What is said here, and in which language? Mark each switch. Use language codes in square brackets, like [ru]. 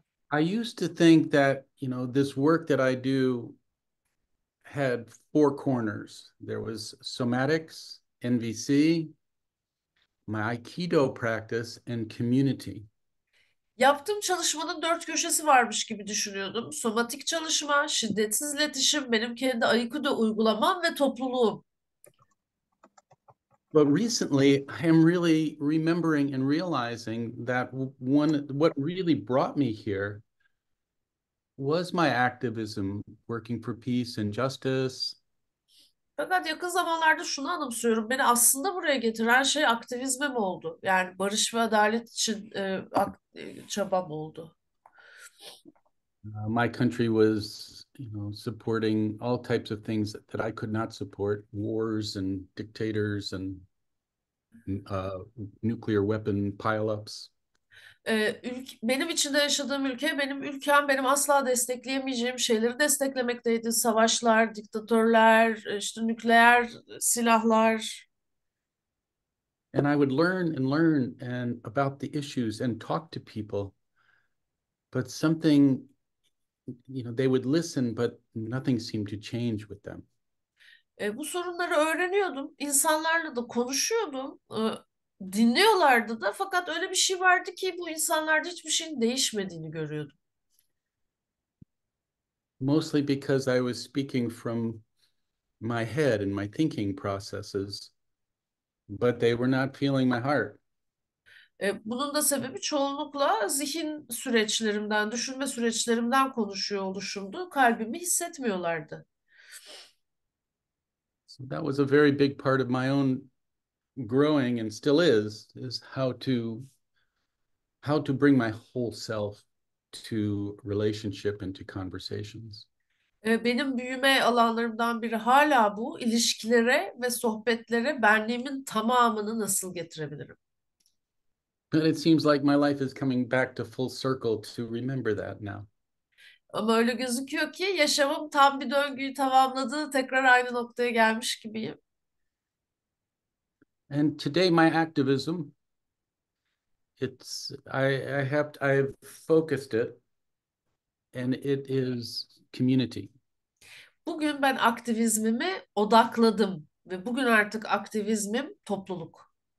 [en] I used to think that, this work that I do had four corners. There was somatics, NVC, my Aikido practice, and community. [tr] Yaptığım çalışmanın dört köşesi varmış gibi düşünüyordum. Somatik çalışma, şiddetsiz iletişim, benim kendi Aikido uygulamam ve topluluğum. [en] But recently, I'm really remembering and realizing that what really brought me here was my activism, working for peace and justice. [tr] Fakat yakın zamanlarda şunu anımsıyorum. Beni aslında buraya getiren şey aktivizmim oldu. Yani barış ve adalet için çabam oldu. [en] My country was, supporting all types of things that I could not support, wars and dictators and nuclear weapon pileups. [tr] Benim içinde yaşadığım ülke, benim ülkem, benim asla destekleyemeyeceğim şeyleri desteklemekteydi. Savaşlar, diktatörler, işte nükleer silahlar. [en] And I would learn and learn and about the issues and talk to people, but something, they would listen, but nothing seemed to change with them. [tr] Bu sorunları öğreniyordum, insanlarla da konuşuyordum. Dinliyorlardı da, fakat öyle bir şey vardı ki bu insanlarda hiçbir şeyin değişmediğini görüyordum. [en] Mostly because I was speaking from my head and my thinking processes, but they were not feeling my heart. [tr] Bunun da sebebi çoğunlukla zihin süreçlerimden, düşünme süreçlerimden konuşuyor oluşumdu. Kalbimi hissetmiyorlardı. [en] So that was a very big part of my own growing and still is how to bring my whole self to relationship and to conversations. [tr] Benim büyüme alanlarımdan biri hala bu. İlişkilere ve sohbetlere benliğimin tamamını nasıl getirebilirim? [en] But it seems like my life is coming back to full circle to remember that now. [tr] Ama öyle gözüküyor ki yaşamım tam bir döngüyü tamamladı, tekrar aynı noktaya gelmiş gibiyim. [en] And today my activism, it's I have I've focused it, and it is community. [tr] Bugün ben aktivizmimi odakladım ve bugün artık aktivizmim topluluk.